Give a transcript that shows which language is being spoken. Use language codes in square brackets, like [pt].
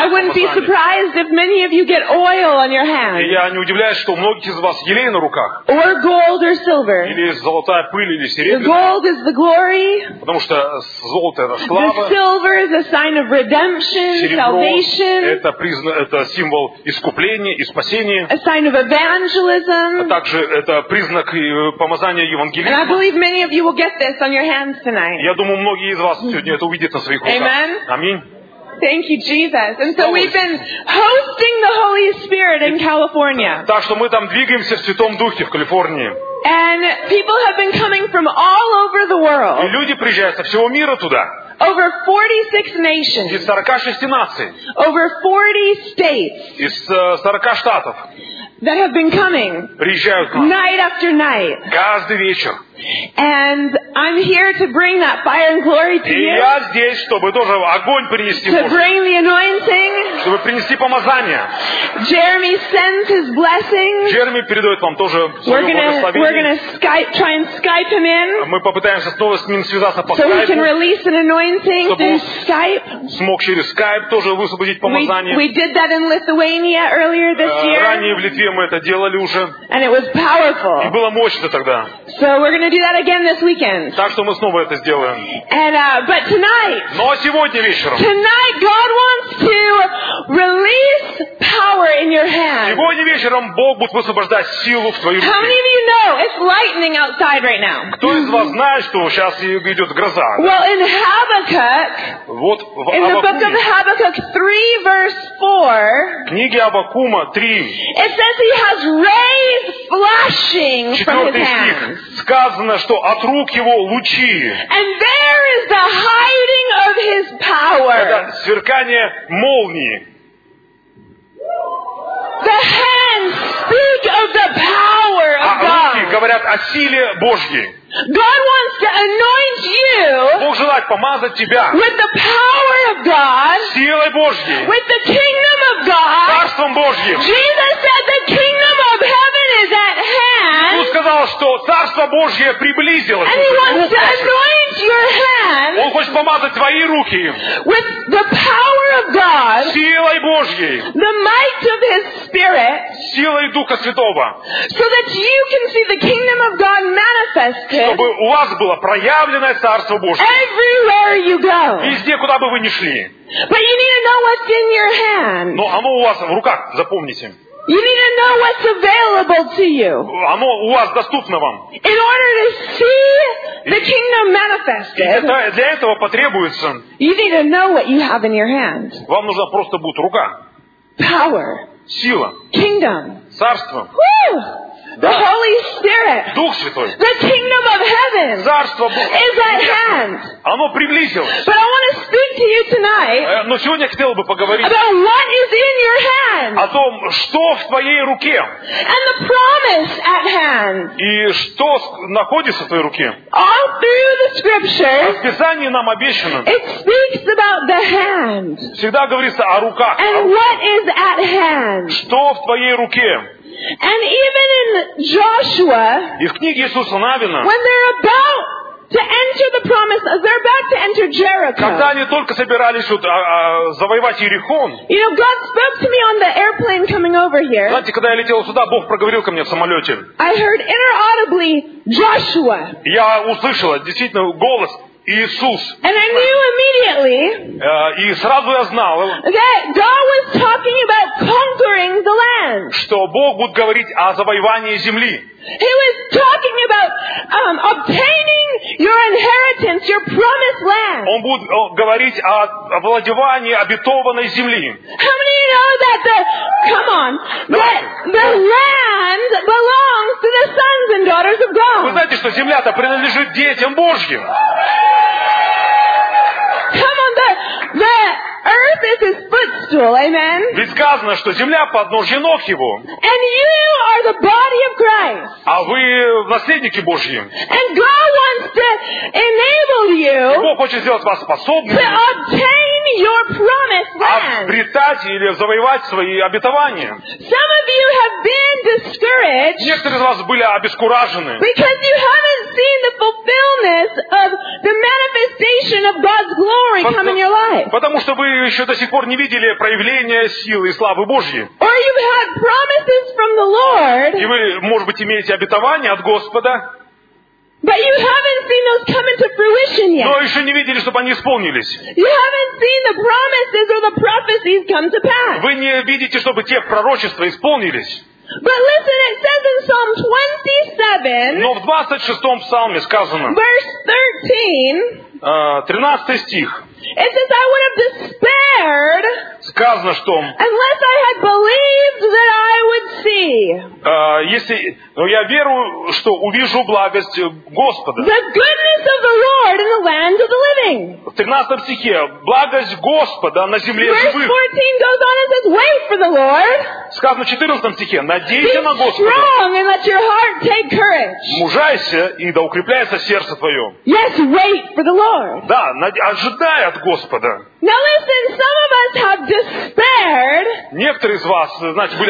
[en] помазание. I wouldn't be surprised if many of you get oil on your hands. [ru] Я не удивляюсь, что у многих из вас елей на руках. [en] Or gold or silver. [ru] Или золотая пыль или серебро. [en] The gold is the glory. [ru] Потому что золото это слава. [en] The silver is a sign of redemption, salvation. [ru] Это символ искупления и спасения. [en] A sign of evangelism. [ru] А также это признак помазания евангелизма. [en] And I believe many of you will get this on your hands tonight. [ru] Я думаю, многие из вас сегодня это увидят на своих руках. [en] Amen. [ru] Аминь. [en] Thank you, Jesus. And so we've been hosting the Holy Spirit in California. [ru] Так что мы там двигаемся в Святом Духе в Калифорнии. [en] And people have been coming from all over the world. [ru] И люди приезжают со всего мира туда. [en] Over 46 nations. [ru] Из 46 наций. [en] Over 40 states. [ru] Из 40 штатов. [en] That have been coming. [ru] Приезжают к нам. [en] Night after night. [ru] Каждый вечер. [en] And I'm here to bring that fire and glory to you. [ru] И я здесь, чтобы тоже огонь принести. [en] To bring the anointing. [ru] Чтобы принести помазание. [en] Jeremy sends his blessing. [ru] Джереми передает вам тоже свое благословение. [en] We're gonna try and Skype him in. [ru] Мы попытаемся снова с ним связаться по [en] Skype. So we can release an anointing through Skype. [ru] Смог через Skype тоже высвободить помазание. [en] We did that in Lithuania earlier this year. [ru] Ранее в Литве мы это делали уже. [en] And it was powerful. [ru] И было мощно тогда. [en] So we're going to do that again this weekend. [ru] Так что мы снова это сделаем. [en] And but tonight. [ru] Но сегодня вечером. [en] Tonight God wants to release power in your hands. [ru] Сегодня вечером Бог будет высвобождать силу в твоей руке. [en] How many of you know it's lightning outside right now? [ru] Кто из вас знает, что сейчас идет гроза? [en] Well, in Habakkuk. [ru] Вот [en] In the book of Habakkuk 3, verse 4, [ru] книги Абакума 3, [en] it says he has rays flashing from his hands. [ru] Сказано, что от рук его лучи. [en] And there is the hiding of his power. [ru] Это сверкание молнии. [en] The hands speak of the power of God. [ru] А руки говорят о силе Божьей. [en] God wants to anoint you. [ru] Бог желает помазать тебя. [en] With the power of God. [ru] Силой Божьей. [en] With the kingdom of God. [ru] Царством Божьим. [en] Jesus said the kingdom of heaven is at hand. [ru] Иисус сказал, что Царство Божье приблизилось. [en] And he wants to anoint your hands. [ru] Он хочет помазать твои руки. [en] With the power of God. [ru] Силой Божьей. [en] The might of his spirit. [ru] Силой Духа Святого. [en] So that you can see the kingdom of God manifest. [ru] Чтобы у вас было проявленное Царство Божье. [en] Everywhere you go. [ru] Везде, куда бы вы ни шли. [en] But you need to know what's in your hand. [ru] Но оно у вас в руках, запомните. [en] You need to know what's available to you. [ru] Оно у вас доступно вам. [en] In order to see the kingdom manifested. [ru] Это, для этого потребуется. [en] You need to know what you have in your hand. [ru] Вам нужна просто будет рука. [en] Power. [ru] Сила. [en] Kingdom. [ru] Царство. [en] Woo! The Holy Spirit. [ru] Дух Святой. [en] The kingdom of heaven. [ru] Царство Божье. [en] Is at hand. [ru] Оно приблизилось. [en] But I want to speak to you tonight. [ru] Но сегодня хотел бы поговорить. [en] About what is in your hand. [ru] О том, что в твоей руке. [en] And the promise at hand. [ru] И что находится в твоей руке. [en] All through the scriptures. [ru] В Писании нам обещано. [en] It speaks about the hand. [ru] Всегда говорится о руках. [en] And what is at hand. [ru] Что в твоей руке. [en] And even in Joshua, [ru] и в книге Иисуса Навина, [en] when they're about to enter the promise, they're about to enter Jericho. [ru] Когда они только собирались вот, завоевать Иерихон. [en] You know, God spoke to me on the airplane coming over here. [ru] Знаете, когда я летел сюда, Бог проговорил ко мне в самолете. [en] I heard inaudibly Joshua. [ru] Я услышала действительно голос. Иисус. [en] And I knew immediately [ru] и сразу я знал, [en] that God was talking about conquering the land. [ru] Что Бог будет говорить о завоевании земли. [en] He was talking about obtaining your inheritance, your promised land. [ru] Он будет говорить о владении обетованной земли. [en] How many know that the, come on, the land belongs to the sons and daughters of God? [ru] Вы знаете, что земля-то принадлежит детям Божьим? [en] Come on, the earth is his footstool, amen. [ru] Ведь сказано, что земля подножье ног его. [en] And you are the body of Christ. [ru] А вы наследники Божьи. [en] And God wants to enable you. [ru] И Бог хочет сделать вас способными. [en] To obtain your promised land. [ru] Обретать или завоевать свои обетования. [en] Some of you have been discouraged. [ru] Некоторые из вас были обескуражены. [en] Because you haven't seen the fulfillment of the manifestation of God's glory come in your life. [ru] Потому что вы еще до сих пор не видели проявления силы и славы Божьей. [en] Or you've had promises from the Lord. [ru] И вы, может быть, имеете обетование от Господа. [en] But you haven't seen those come into fruition yet. [ru] Но еще не видели, чтобы они исполнились. [en] You haven't seen the promises or the prophecies come to pass. [ru] Вы не видите, чтобы те пророчества исполнились. [en] But listen, it says in Psalm 27. [ru] Но в 26-м псалме сказано. [en] Verse 13. [ru] 13 стих. [en] It says I would have despaired. [ru] Сказано, что. [en] Unless I had believed that I would see. [ru] Если, ну, я верю, что увижу благость Господа. [en] The goodness of the Lord in the land of the living. [ru] В 13 стихе благость Господа на земле живых. [en] Verse 14 goes on and says, wait for the Lord. [ru] Сказано в 14 стихе, надейся на Господа. [en] Be strong and let your heart take courage. [ru] Мужайся и да укрепляется сердце твое. [en] Yes, wait for the Lord. [ru] Да, ожидай. От Господа. [en] Now listen, some of us have despaired. [ru] Некоторые из вас, знаете, были